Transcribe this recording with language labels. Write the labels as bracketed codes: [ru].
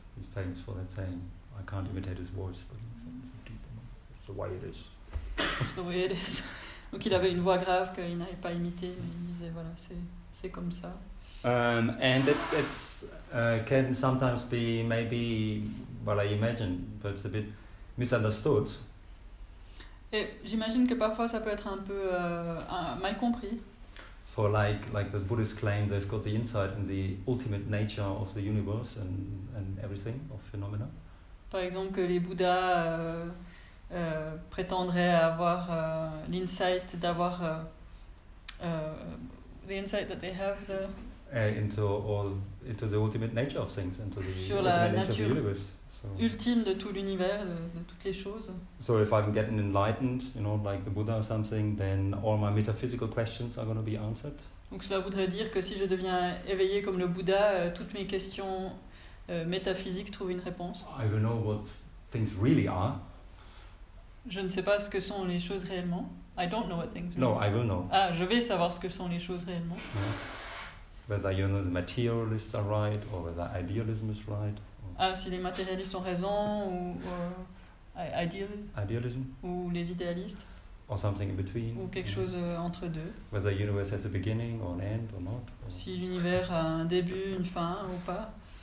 [en] He's famous for that saying. I can't imitate his voice, but it's the way it is. It's the way it is. [fr] Donc il avait une voix grave qu'il n'avait pas imitée, mais il disait, voilà, c'est comme ça. [en] And it's can sometimes be maybe, well, I imagine, perhaps a bit misunderstood. [fr] Et j'imagine que parfois ça peut être un peu mal compris. [en] So like the Buddhists claim they've got the insight in the ultimate nature of the universe and everything, of phenomena. [fr] Par exemple, que les Bouddhas prétendraient avoir l'insight d'avoir [en] the insight that they have the into the ultimate nature of things, into the [fr] sur la nature ultime de tout l'univers, de toutes les choses. [en] So if I'm getting enlightened, you know, like the Buddha or something, then all my metaphysical questions are going to be answered. [fr] Donc cela voudrait dire que si je deviens éveillé comme le Bouddha, toutes mes questions métaphysique trouve une réponse. [en] I don't know what things really are. [fr] Je ne sais pas ce que sont les choses réellement. [en] I don't know what things are. No, I will know. [fr] Ah, je vais savoir ce que sont les choses réellement. [en] Yeah. Whether you know the materialists are right or whether idealism is right. [fr] Ah, si les matérialistes ont raison ou idealism. Ou les idéalistes. [en] Or something in between. [fr] Ou quelque chose entre deux. [en] Whether the universe has a beginning or an end or not. [fr] Si l'univers a un début, une fin ou pas.